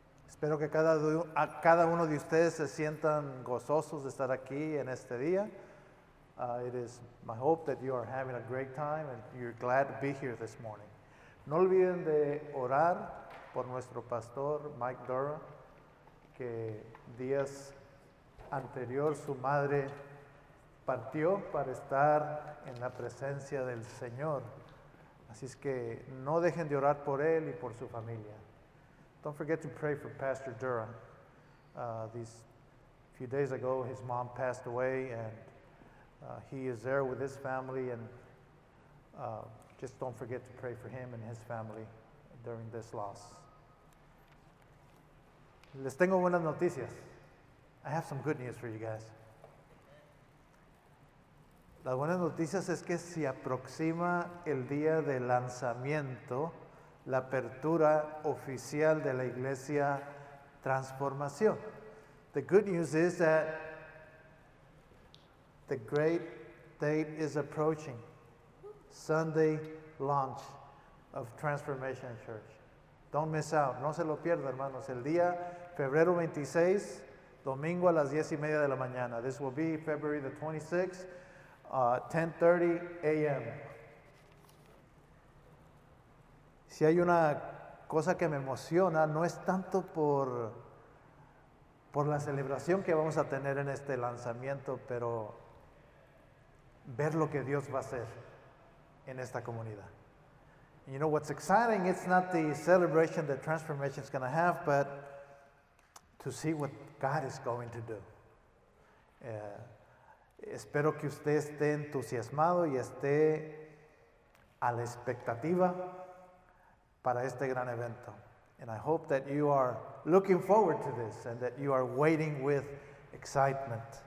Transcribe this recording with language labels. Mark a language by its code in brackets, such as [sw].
[es] Espero que cada uno de ustedes se sientan gozosos de estar aquí en este día. [en] It is my hope that you are having a great time and you're glad to be here this morning. [es] No olviden de orar por nuestro pastor, Mike Dura, que días anterior su madre partió para estar en la presencia del Señor. Así es que no dejen de orar por él y por su familia. [en] Don't forget to pray for Pastor Dura. These few days ago, his mom passed away, and he is there with his family, and just don't forget to pray for him and his family during this loss. [es] Les tengo buenas noticias. [en] I have some good news for you guys. [es] Las buenas noticias es que se aproxima el día de lanzamiento, la apertura oficial de la iglesia Transformación. [en] The good news is that the great date is approaching. Sunday launch of Transformation Church. Don't miss out. [es] No se lo pierda, hermanos. El día febrero 26, domingo a las 10:30 de la mañana. [en] This will be February the 26th. 10:30 a.m. [es] Si hay una cosa que me emociona, no es tanto por la celebración que vamos a tener en este lanzamiento, pero ver lo que Dios va a hacer en esta comunidad. [en] You know what's exciting? It's not the celebration that Transformation is going to have, but to see what God is going to do. [es] Espero que usted esté entusiasmado y esté a la expectativa para este gran evento. [en] And I hope that you are looking forward to this and that you are waiting with excitement.